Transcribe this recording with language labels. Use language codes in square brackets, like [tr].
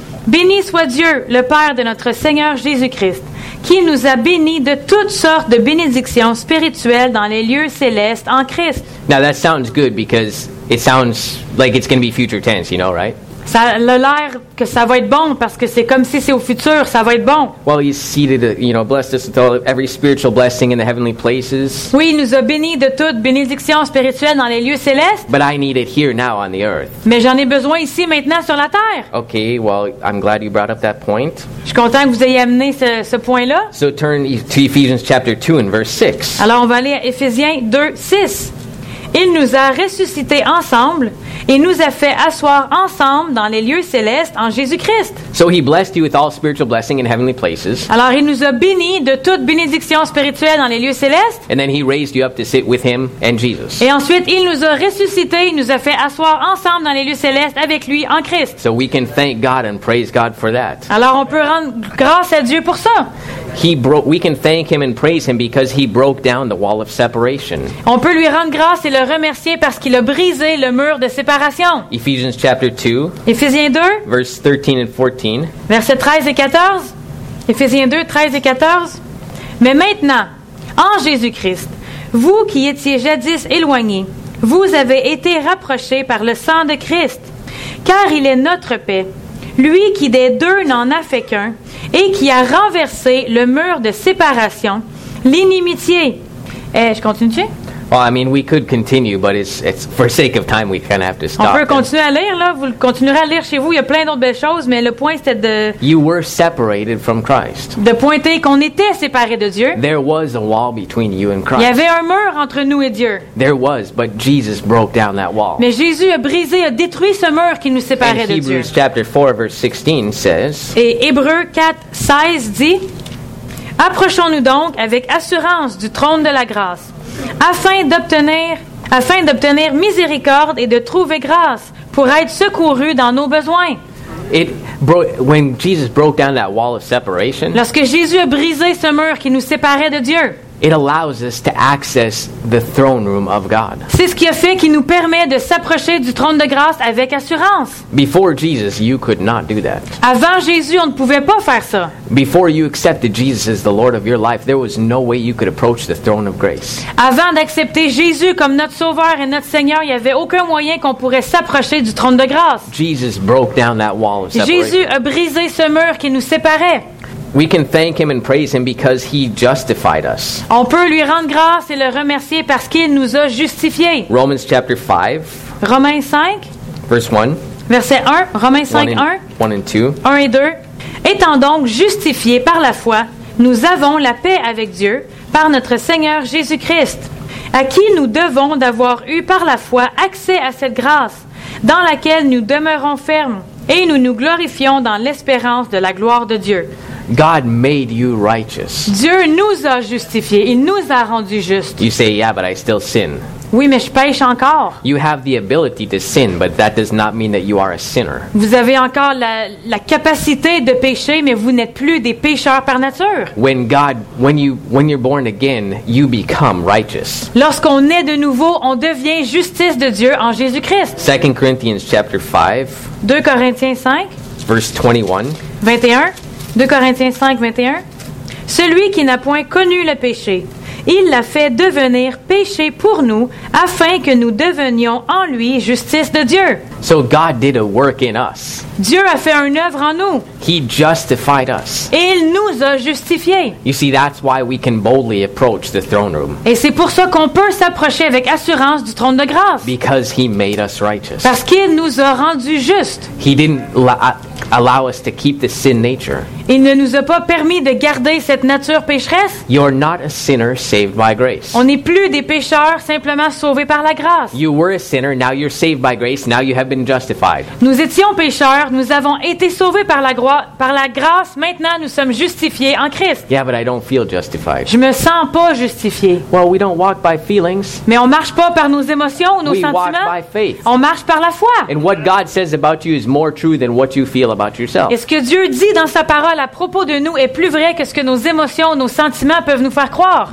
[fr] Béni soit Dieu, le Père de notre Seigneur Jésus-Christ. Qui nous a bénis de toutes sortes de bénédictions spirituelles dans les lieux célestes en Christ. [en] Now that sounds good because it sounds like it's going to be future tense, you know, right? [fr] Ça a l'air que ça va être bon parce que c'est comme si c'est au futur, ça va être bon. [en] Well, he's seated, you know, blessed us with all, every spiritual blessing in the heavenly places. [fr] Oui, il nous a bénis de toutes bénédictions spirituelles dans les lieux célestes. [en] But I need it here now on the earth. [fr] Mais j'en ai besoin ici maintenant sur la terre. [en] Okay, well, I'm glad you brought up that point. [fr] Je suis content que vous ayez amené ce point-là. [en] So turn to Ephesians chapter 2 and verse 6. [fr] Alors on va aller à Éphésiens 2, 6. Il nous a ressuscités ensemble et nous a fait asseoir ensemble dans les lieux célestes en Jésus-Christ. [en] So he blessed you with all spiritual blessing in heavenly places. [fr] Alors il nous a bénis de toute bénédiction spirituelle dans les lieux célestes. [en] And then he raised you up to sit with him and Jesus. [fr] Et ensuite il nous a ressuscités, il nous a fait asseoir ensemble dans les lieux célestes avec lui en Christ. [en] So we can thank God and praise God for that. [fr] Alors on peut rendre grâce à Dieu pour ça. [en] We can thank him and praise him because he broke down the wall of separation. [fr] On peut lui rendre grâce et le remercier parce qu'il a brisé le mur de séparation. [en] Ephesians chapter 2. [fr] Éphésiens 2. [en] Verse 13 and 14. [fr] Versets 13 et 14. Éphésiens 2, 13 et 14. Mais maintenant, en Jésus-Christ, vous qui étiez jadis éloignés, vous avez été rapprochés par le sang de Christ, car il est notre paix. Lui qui des deux n'en a fait qu'un et qui a renversé le mur de séparation, l'inimitié. Je continue? [en] Well, I mean, we could continue, but it's for sake of time, we kind of have to stop. [fr] On peut continuer à lire, là. Vous continuerez à lire chez vous. Il y a plein d'autres belles choses, mais le point, c'était de... [en] You were separated from Christ. [fr] De pointer qu'on était séparés de Dieu. [en] There was a wall between you and Christ. [fr] Il y avait un mur entre nous et Dieu. [en] There was, but Jesus broke down that wall. [fr] Mais Jésus a brisé, a détruit ce mur qui nous séparait [en] and [fr] de [en] Hebrews [fr] Dieu. [en] Hebrews chapter 4, verse 16 says... [fr] Et Hébreux 4, 16 dit... Approchons-nous donc avec assurance du trône de la grâce. Afin d'obtenir miséricorde et de trouver grâce pour être secouru dans nos besoins. [en] When Jesus broke down that wall of separation, [fr] lorsque Jésus a brisé ce mur qui nous séparait de Dieu, [en] it allows us to access the throne room of God. [fr] C'est ce qui a fait qu'il nous permet de s'approcher du trône de grâce avec assurance. [en] Before Jesus, you could not do that. [fr] Avant Jésus, on ne pouvait pas faire ça. [en] Before you accepted Jesus as the Lord of your life, there was no way you could approach the throne of grace. [fr] Avant d'accepter Jésus comme notre Sauveur et notre Seigneur, il n'y avait aucun moyen qu'on pourrait s'approcher du trône de grâce. [en] Jesus broke down that wall of separation. [fr] Jésus a brisé ce mur qui nous séparait. [en] We can thank him and praise him because he justified us. [fr] On peut lui rendre grâce et le remercier parce qu'il nous a justifiés. [en] Romans chapter 5. [fr] Romains 5. [en] Verse 1. [fr] Verset 1. Romains 5, 1. [en] 1 and 2. [fr] 1 et 2. Étant donc justifiés par la foi, nous avons la paix avec Dieu par notre Seigneur Jésus-Christ, à qui nous devons d'avoir eu par la foi accès à cette grâce, dans laquelle nous demeurons fermes, et nous nous glorifions dans l'espérance de la gloire de Dieu. [en] God made you righteous. [fr] Dieu nous a justifiés. Il nous a rendus justes. [en] You say, yeah, but I still sin. [fr] Oui, mais je pêche encore. [en] You have the ability to sin, but that does not mean that you are a sinner. [fr] Vous avez encore la capacité de pécher, mais vous n'êtes plus des pécheurs par nature. [en] When you're born again, you become righteous. [fr] Lorsqu'on est de nouveau, on devient justice de Dieu en Jésus-Christ. [en] 2 Corinthians chapter 5. [fr] 2 Corinthiens 5. [en] Verse 21. [fr] 2 Corinthiens 5, 21. Celui qui n'a point connu le péché, il l'a fait devenir péché pour nous, afin que nous devenions en lui justice de Dieu. [en] So God did a work in us. [fr] Dieu a fait une œuvre en nous. [en] He justified us. [fr] Et il nous a justifiés. [en] You see, that's why we can boldly approach the throne room. [fr] Et c'est pour ça qu'on peut s'approcher avec assurance du trône de grâce. [en] Because he made us righteous. [fr] Parce qu'il nous a rendus justes. [en] He didn't allow us to keep the sin nature. [fr] Il ne nous a pas permis de garder cette nature pécheresse. [en] You're not a sinner saved by grace. [fr] On n'est plus des pécheurs simplement sauvés par la grâce. [en] You were a sinner, now you're saved by grace, now you have been justified. [fr] Nous étions pécheurs, nous avons été sauvés par la grâce, maintenant nous sommes justifiés en Christ. [en] Yeah, but I don't feel justified. [fr] Je me sens pas justifié. [en] Well, we don't walk by feelings. [fr] Mais on marche pas par nos émotions ou nos sentiments. [en] We walk by faith. [fr] On marche par la foi. [en] And what God says about you is more true than what you feel about yourself. [fr] Et ce que Dieu dit dans sa parole à propos de nous est plus vrai que ce que nos émotions, nos sentiments peuvent nous faire croire.